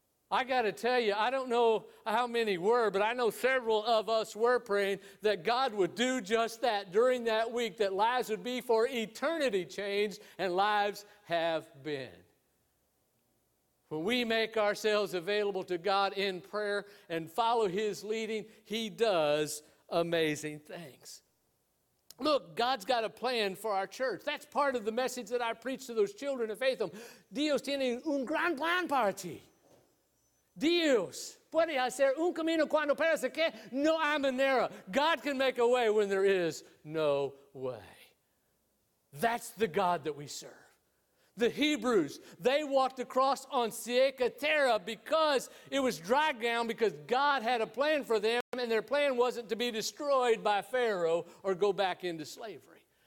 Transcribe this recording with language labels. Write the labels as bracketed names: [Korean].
[English] I got to tell you, I don't know how many were, but I know several of us were praying that God would do just that during that week, that lives would be for eternity changed, and lives have been. When we make ourselves available to God in prayer and follow his leading, he does amazing things. Look, God's got a plan for our church. That's part of the message that I preach to those children of Faith. [Spanish] Dios tiene un gran plan para ti. Dios puede hacer un camino cuando parece que no hay manera. [English] God can make a way when there is no way. That's the God that we serve. The Hebrews, they walked across on Sieca Terra because it was dry ground, because God had a plan for them, and their plan wasn't to be destroyed by Pharaoh or go back into slavery.